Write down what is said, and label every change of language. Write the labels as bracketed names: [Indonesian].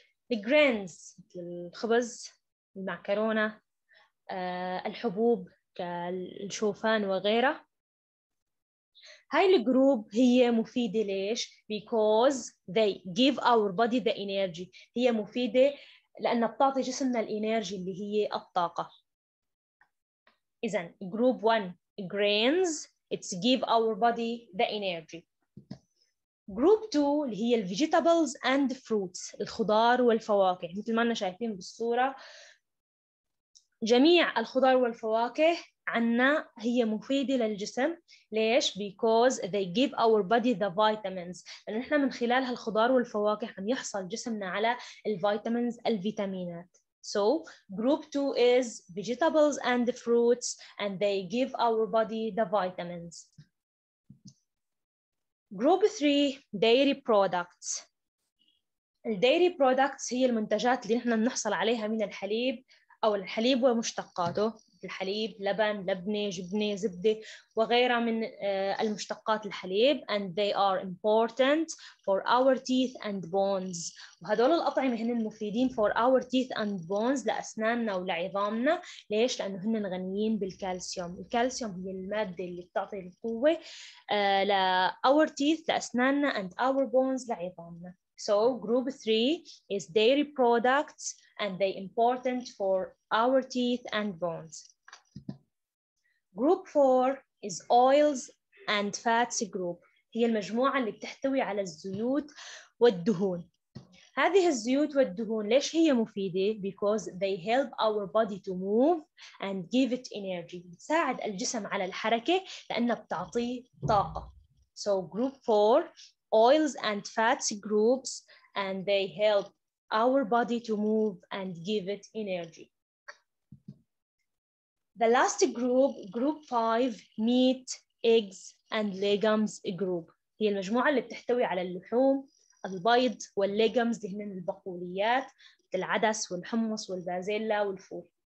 [English] The grains [Arabic] الخبز، المعكرونة، الحبوب كالشوفان وغيرها. هاي الجروب هي مفيدة ليش؟ [English] Because they give our body the energy. [Arabic] هي مفيدة لأن بتعطي جسمنا الإنرجي اللي هي الطاقة. إذا [English] group one grains it's give our body the energy. Group two [Arabic] اللي هي [English] vegetables and fruits [Arabic] الخضار والفواكه مثل ما احنا شايفين بالصورة. جميع الخضار والفواكه عنا هي مفيدة للجسم. ليش؟ [English] Because they give our body the vitamins. [Arabic] لأن إحنا من خلال هالخضار والفواكه عم يحصل جسمنا على الفيتامينز الفيتامينات. [English] So group two is vegetables and fruits and they give our body the vitamins. Group three dairy products. [Arabic] الديري برودكتس هي المنتجات اللي نحن بنحصل عليها من الحليب أو الحليب ومشتقاته، الحليب، لبن، لبنة، جبنة، زبدة وغيرها من المشتقات الحليب. [English] And they are important for our teeth and bones. [Arabic] وهدول الأطعمة هن المفيدين [English] for our teeth and bones، [Arabic] لأسناننا ولعظامنا. ليش؟ لأنه هن غنيين بالكالسيوم. الكالسيوم هي المادة اللي بتعطي القوة ل [English] our teeth، [Arabic] لأسناننا، [English] and our bones، [Arabic] لعظامنا. [English] So group 3 is dairy products and they important for our teeth and bones. Group 4 is oils and fats group. [Arabic] هي المجموعة اللي بتحتوي على الزيوت والدهون. هذه الزيوت والدهون ليش هي مفيدة؟ [English] Because they help our body to move and give it energy. [Arabic] بتساعد الجسم على الحركة لأنها بتعطيه طاقة. [English] So group 4 oils and fats groups and they help our body to move and give it energy. The last group, group 5, meat, eggs and legumes group. [Arabic] هي المجموعة اللي بتحتوي على اللحوم، البيض والليجمز اللي هن البقوليات، العدس والحمص والبازيلا والفول.